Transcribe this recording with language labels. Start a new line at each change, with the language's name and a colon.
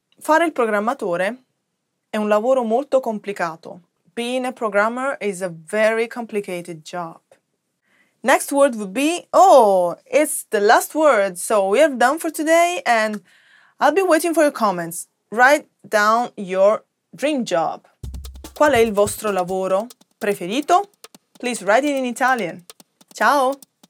Italian: Fare il programmatore è un lavoro molto complicato.
English: Being a programmer is a very complicated job. Next word would be, oh, it's the last word. So we are done for today and I'll be waiting for your comments. Write down your dream job.
Italian: Qual è il vostro lavoro preferito?
English: Please write it in Italian.
Italian: Ciao!